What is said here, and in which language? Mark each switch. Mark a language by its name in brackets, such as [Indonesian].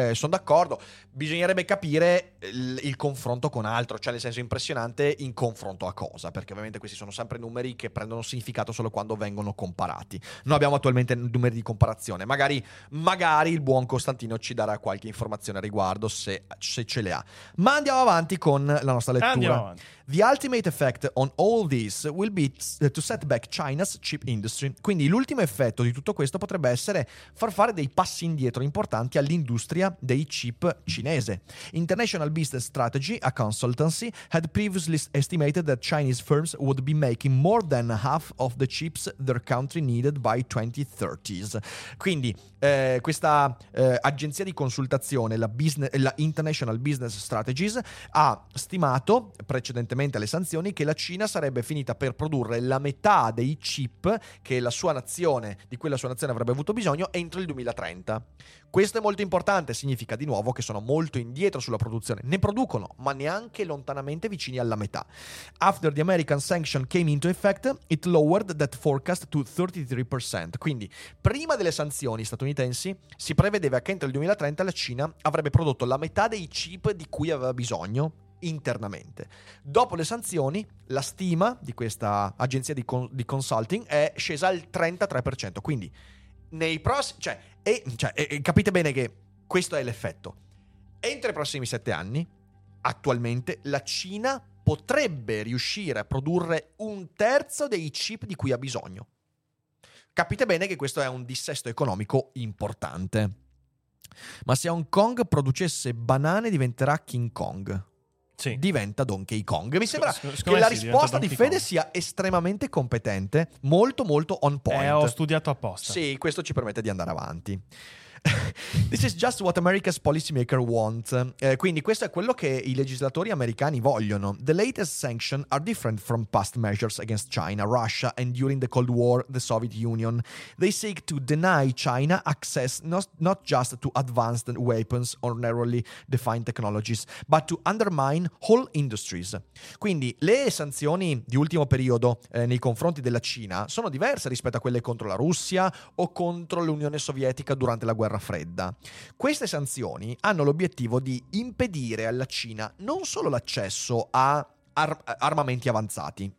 [Italian] Sono d'accordo, bisognerebbe capire il confronto con altro, cioè nel senso impressionante in confronto a cosa, perché ovviamente questi sono sempre numeri che prendono significato solo quando vengono comparati. Non abbiamo attualmente numeri di comparazione, magari il buon Costantino ci darà qualche informazione a riguardo se ce le ha. Ma andiamo avanti con la nostra lettura. Andiamo avanti. [English] The ultimate effect on all this will be to set back China's chip industry. [Italian] Quindi l'ultimo effetto di tutto questo potrebbe essere far fare dei passi indietro importanti all'industria dei chip cinese. [English] International Business Strategy, a consultancy, had previously estimated that Chinese firms would be making more than half of the chips their country needed by 2030s. [Italian] Quindi questa agenzia di consultazione, la International Business Strategies, ha stimato precedentemente alle sanzioni che la Cina sarebbe finita per produrre la metà dei chip che la sua nazione, di cui la sua nazione avrebbe avuto bisogno entro il 2030. Questo è molto importante, significa di nuovo che sono molto indietro sulla produzione. Ne producono, ma neanche lontanamente vicini alla metà. [English] After the American sanction came into effect, it lowered that forecast to 33%. [Italian] Quindi, prima delle sanzioni statunitensi, si prevedeva che entro il 2030 la Cina avrebbe prodotto la metà dei chip di cui aveva bisogno internamente. Dopo le sanzioni, la stima di questa agenzia di consulting è scesa al 33%. Quindi, nei prossimi... capite bene che questo è l'effetto. Entro i prossimi 7 anni, attualmente, la Cina potrebbe riuscire a produrre un terzo dei chip di cui ha bisogno. Capite bene che questo è un dissesto economico importante. Ma se Hong Kong producesse banane, diventerà King Kong. Sì. Diventa Donkey Kong. Mi sembra che la risposta di Fede sia estremamente competente, molto molto on point. Ho studiato apposta. Sì, questo ci permette di andare avanti. [English] This is just what America's policymaker want. [Italian] Quindi questo è quello che i legislatori americani vogliono. [English] The latest sanctions are different from past measures against China, Russia and during the Cold War, the Soviet Union. They seek to deny China access not just to advanced weapons or narrowly defined technologies, but to undermine whole industries. [Italian] Quindi le sanzioni di ultimo periodo nei confronti della Cina sono diverse rispetto a quelle contro la Russia o contro l'Unione Sovietica durante la guerra fredda. Queste sanzioni hanno l'obiettivo di impedire alla Cina non solo l'accesso a armamenti avanzati.